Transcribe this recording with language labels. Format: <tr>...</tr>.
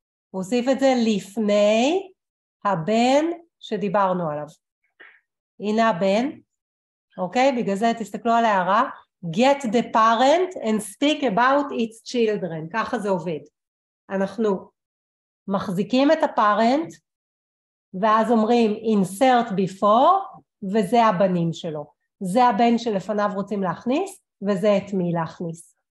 <he>הוא הוסיף את זה לפני הבן שדיברנו עליו. הנה הבן, אוקיי? בגלל זה תסתכלו על הערה.</he> <en>Get the parent and speak about its children.</en> <he>ככה זה עובד. אנחנו מחזיקים את הפארנט, ואז אומרים insert before, וזה הבנים שלו. זה הבן שלפניו רוצים להכניס, וזה את מי להכניס.</he>